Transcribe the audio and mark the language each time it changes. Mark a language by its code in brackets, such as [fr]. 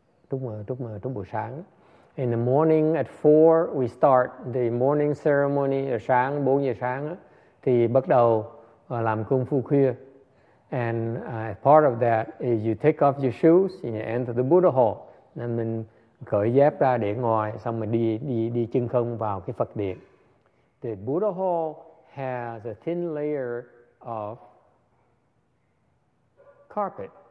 [vi] Lúc buổi sáng. [en] In the morning at 4 we start the morning ceremony, [vi] ở sáng 4 giờ sáng đó, thì bắt đầu làm kung fu khuya. [en] And part of that is you take off your shoes and you enter the Buddha hall. [vi] Nên mình cởi dép ra để ngồi xong mình đi chân không vào cái Phật điện. [en] The Buddha hall has a thin layer of carpet.